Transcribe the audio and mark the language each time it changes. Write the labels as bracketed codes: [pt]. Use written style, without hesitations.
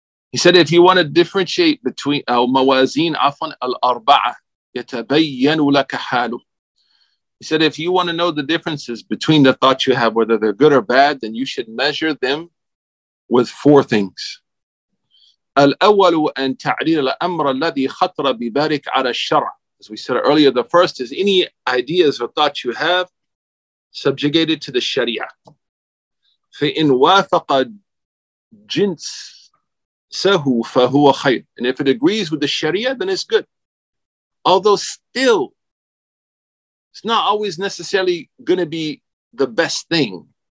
[en] He said, if you want to differentiate between [ar] مَوَازِينَ عَفْوًا الْأَرْبَعَ يَتَبَيَّنُ لَكَ حَالُ. [en] He said, if you want to know the differences between the thoughts you have, whether they're good or bad, then you should measure them with four things. [ar] الأول أن تعرير الأمر الذي خطر ببارك على الشرع. [en] As we said earlier, the first is any ideas or thoughts you have subjugated to the Sharia. [ar] فإن وافق جنسه فهو خير. [en] And if it agrees with the Sharia, then it's good. Although still, it's not always necessarily going to be the best thing.